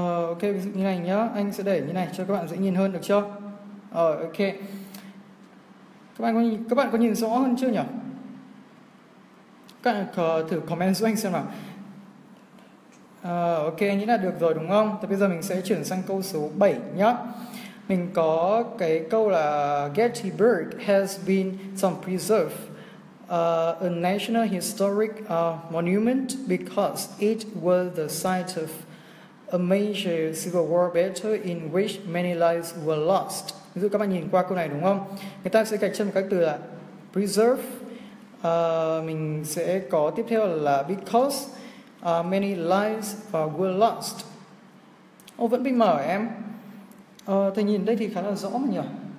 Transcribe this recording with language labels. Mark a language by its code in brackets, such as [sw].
[vi] Ok, ví dụ như này nhá, anh sẽ để như này cho các bạn dễ nhìn hơn được chưa? Ok. Các bạn có nhìn rõ hơn chưa nhỉ? Các bạn thử comment giúp anh xem nào. Ok, anh nghĩ là được rồi đúng không? Thì bây giờ mình sẽ chuyển sang câu số 7 nhá. Mình có cái câu là [en] Gettysburg has been some preserve a national historic monument because it was the site of a major civil war battle in which many lives were lost. [vi] Ví dụ các bạn nhìn qua câu này đúng không? Người ta sẽ gạch chân một cái từ là preserve. Mình sẽ có tiếp theo là [en] because many lives were lost. [vi] Vẫn bị mở em. Thầy nhìn đây thì khá là rõ mà nhỉ.